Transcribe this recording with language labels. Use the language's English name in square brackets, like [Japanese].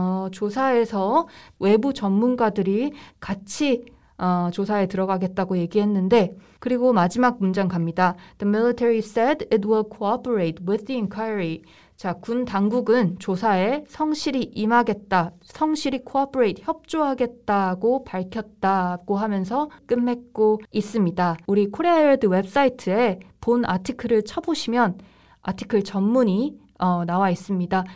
[Korean] 조사에서 외부 전문가들이 같이 조사에 들어가겠다고 얘기했는데 그리고 마지막 문장 갑니다. [English] The military said it will cooperate with the inquiry. [Korean] 자, 군 당국은 조사에 성실히 임하겠다, 성실히 cooperate, 협조하겠다고 밝혔다고 하면서 끝맺고 있습니다. 우리 코리아헤드 웹사이트에 본 아티클을 쳐보시면 아티클 전문이 나와 있습니다.